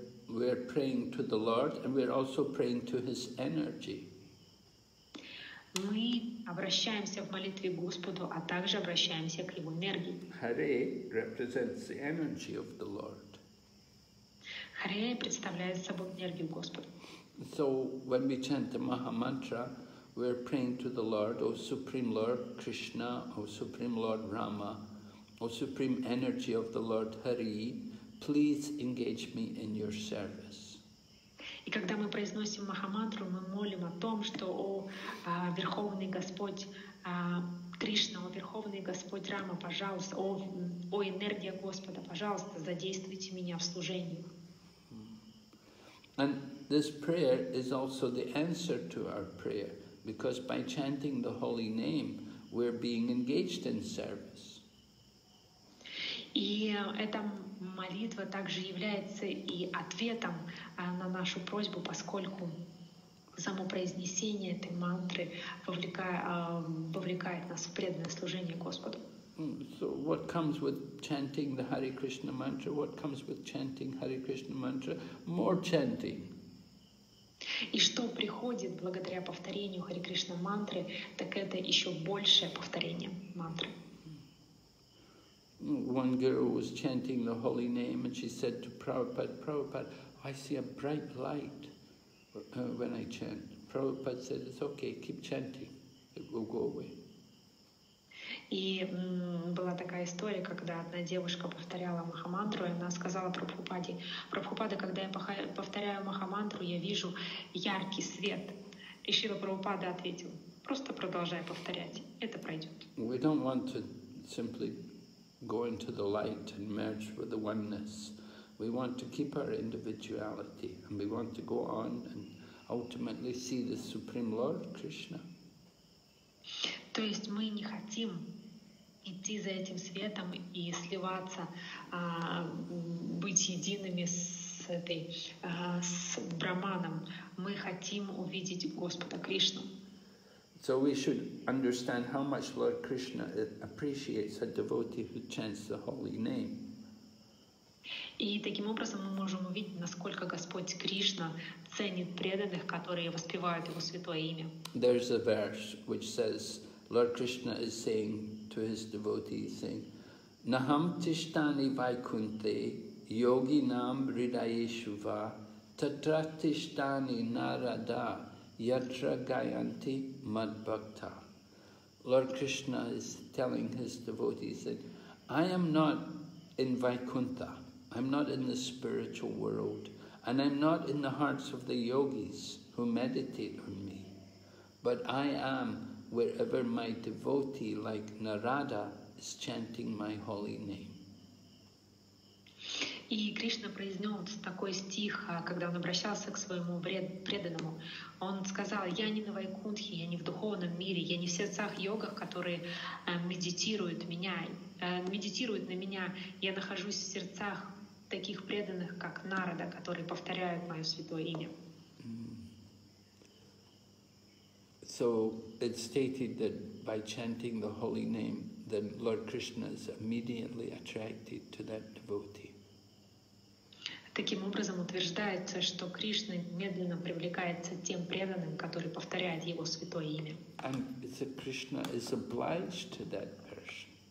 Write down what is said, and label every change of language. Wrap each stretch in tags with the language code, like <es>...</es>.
<en>We're praying to the Lord, and we're also praying to His energy.</en> <ru>Мы обращаемся в молитве к Господу, а также обращаемся к Его энергии.</ru> <en>Hare represents the energy of the Lord.</en> <ru>Hare представляет собой энергию Господа.</ru> <en>So when we chant the Maha Mantra, we're praying to the Lord, O Supreme Lord Krishna, O Supreme Lord Rama, O Supreme Energy of the Lord Hari, please engage me in your service.</en> <ru>И когда мы произносим Махамантру, мы молим о том, что о Верховный Господь Кришна, о Верховный Господь Рама, пожалуйста, о энергия Господа, пожалуйста, задействуйте меня в служении.</ru> <en>And this prayer is also the answer to our prayer, because by chanting the holy name, we're being engaged in service.</en> <ru>И эта молитва также является и ответом на нашу просьбу, поскольку само произнесение этой мантры вовлекает нас в преданное служение Господу.</ru> <en>So what comes with chanting the Hare Krishna mantra? What comes with chanting Hare Krishna mantra? More chanting.</en> <ru>И что приходит благодаря повторению Хари Кришна мантры, так это еще большее повторение мантры.</ru> <en>One girl was chanting the holy name, and she said to Prabhupada, Prabhupada, I see a bright light when I chant. Prabhupada said, it's okay, keep chanting, it will go away.</en> <ru>И была такая история, когда одна девушка повторяла Махамантру, и она сказала Прабхупаде, Прабхупада, когда я повторяю Махамантру, я вижу яркий свет. И Шрила Прабхупада ответил, просто продолжай повторять, это пройдет.</ru> <en>We don't want to simply go into the light and merge with the oneness. We want to keep our individuality, and we want to go on and ultimately see the Supreme Lord Krishna.</en> <ru>То есть мы не хотим идти за этим светом и сливаться, быть едиными с этой, с Браманом. Мы хотим увидеть Господа Кришну.</ru> <en>So we should understand how much Lord Krishna appreciates a devotee who chants the holy name.</en> <ru>И таким образом мы можем увидеть, насколько Господь Кришна ценит преданных, которые воспевают Его святое имя.</ru> <en>There's a verse which says Lord Krishna is saying to His devotees, saying,</en> <sa>Naham tishtani vaikunte yoginam ridayeshuva tatra tishtani narada yatra gayanti madbhakta.</sa> <en>Lord Krishna is telling His devotees that I am not in Vaikuntha, I'm not in the spiritual world, and I'm not in the hearts of the yogis who meditate on me, but I am wherever my devotee like Narada is chanting my holy name.</en> <ru>И Кришна произнес такой стих, когда он обращался к своему преданному. Он сказал, я не на Вайкунтхе, я не в духовном мире, я не в сердцах йогов, которые медитируют на меня. Я нахожусь в сердцах таких преданных, как Нарада, которые повторяют мое святое имя.</ru> <en>So it's stated that by chanting the holy name, then Lord Krishna is immediately attracted to that devotee.</en> <ru>Таким образом утверждается, что Кришна медленно привлекается тем преданным, который повторяет Его святое имя.</ru> <en>And so Krishna is obliged to that person.</en>